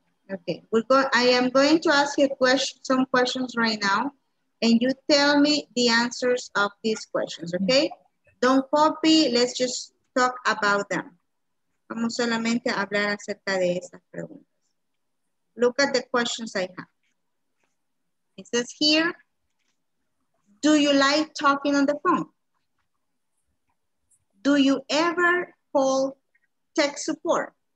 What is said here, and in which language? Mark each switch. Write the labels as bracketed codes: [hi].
[en] Okay, I am going to ask you some questions right now, and you tell me the answers of these questions, okay? Don't copy, let's just talk about them. [es] Vamos solamente a hablar acerca de estas preguntas. [en] Look at the questions I have. It says here, do you like talking on the phone? Do you ever call tech support?